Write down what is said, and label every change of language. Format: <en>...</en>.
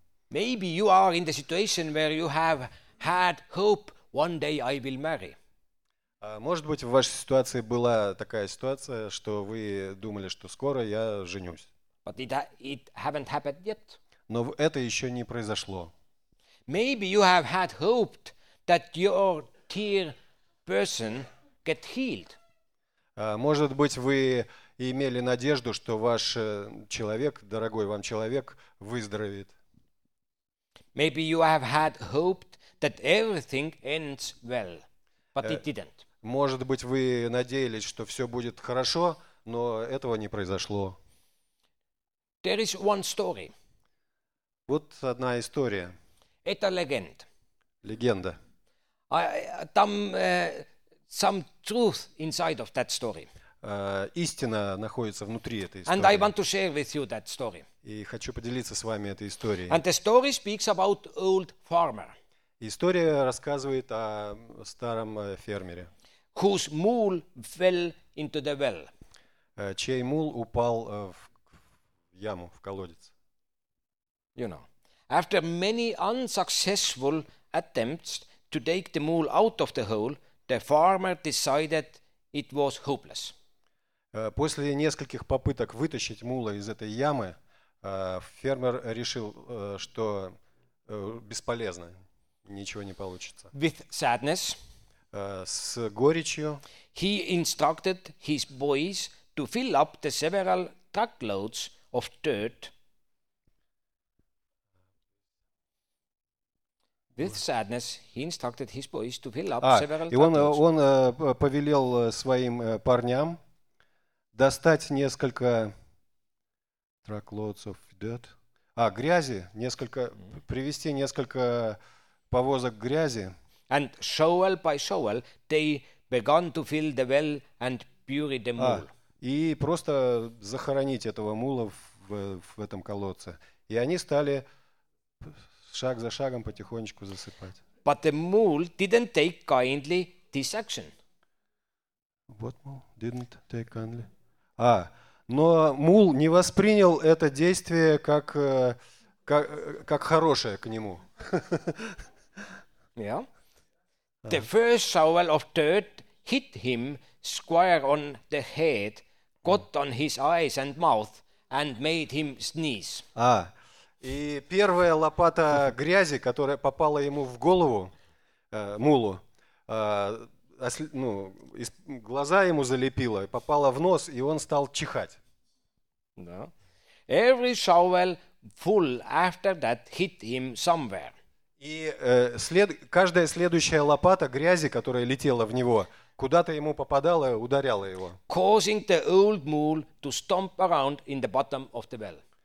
<en>Maybe you are in the situation where you have had hope one day I will marry.</en> <ru>Может быть, в вашей ситуации была такая ситуация, что вы думали, что скоро я женюсь.</ru> <en>But it haven't happened yet.</en> <ru>Но это еще не произошло.</ru> <en>Maybe you have had hoped that your tear person get healed.</en> <ru>Может быть, вы имели надежду, что ваш человек, дорогой вам человек, выздоровеет.</ru> <en>Maybe you have had hoped that everything ends well, but it didn't.</en> <ru>Может быть, вы надеялись, что все будет хорошо, но этого не произошло.</ru> <en>There is one story.</en> <ru>Вот одна история. Это легенда. Легенда. Там</ru> <en>some truth inside of that story.</en> <ru>Истина находится внутри этой истории.</ru> <en>And I want to share with you that story.</en> <ru>И хочу поделиться с вами этой историей.</ru> <en>And the story speaks about old farmer.</en> <ru>История рассказывает о старом фермере.</ru> <en>Whose mule fell into the well.</en> <ru>Чей мул упал в яму, в колодец.</ru> <en>You know. After many unsuccessful attempts to take the mule out of the hole, the farmer decided it was hopeless.</en> <ru>После нескольких попыток вытащить мула из этой ямы, фермер решил, что бесполезно, ничего не получится.</ru> <en>With sadness,</en> <ru>с горечью,</ru> <en>he instructed his boys to fill up the several truckloads of dirt. With sadness, he instructed his boys to fill up several.</en> <ru>И он повелел своим парням достать несколько</ru> <en>truckloads of dirt.</en> <ru>Грязи, несколько, привезти несколько повозок грязи.</ru> <en>And shovel by shovel, they began to fill the well and bury the mule.</en> <ru>И просто захоронить этого мула в этом колодце. И они стали шаг за шагом потихонечку засыпать.</ru> <en>But the mule didn't take kindly this action. What mule didn't take kindly?</en> <ru>Но мул не воспринял это действие как хорошее к нему.</ru> <en>Yeah. The first shovel of dirt hit him square on the head, got on his eyes and mouth, and made him sneeze.</en> <ru>И первая лопата грязи, которая попала ему в голову, мулу, глаза ему залепила, попала в нос, и он стал чихать. Да.</ru> <en>Every shovel full after that hit him somewhere.</en> <ru>И каждая следующая лопата грязи, которая летела в него, куда-то ему попадала, ударяла его.</ru> <en>Causing the old mule to stomp around in the bottom of the well.</en>